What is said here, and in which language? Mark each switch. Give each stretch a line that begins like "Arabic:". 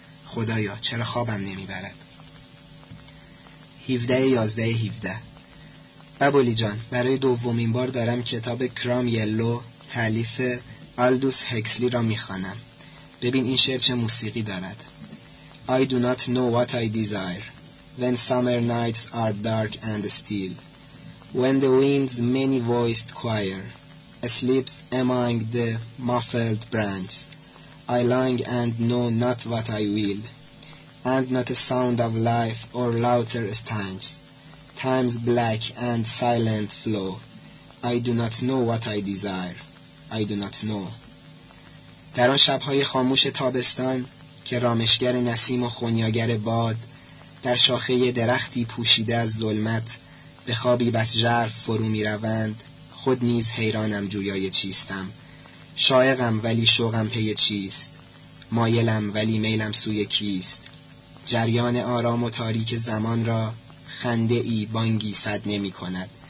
Persian: خدایا چرا خوابم نمیبرد؟ 17/11/17. بابولی جان، برای دومین بار دارم کتاب کرام یلو تالیف آلدوس هکسلی را میخوانم. ببین این شعر چه موسیقی دارد.
English: I do not know what I desire. When summer nights are dark and still, when the wind's many-voiced choir sleeps among the muffled branches, I long and know not what I will, and not a sound of life or louder stanches. Time's black and silent flow. I do not know what I desire. I do not know.
Persian: در آن شب‌های خاموش تابستان که رامشگر نسیم و خنیاگر باد، در شاخه درختی پوشیده از ظلمت به خوابی بس ژرف فرو می روند، خود نیز حیرانم جویای چیستم. شایقم ولی شوقم پی چیست؟ مایلم ولی میلم سوی کیست؟ جریان آرام و تاریک زمان را خنده ای بانگی صد نمی کند.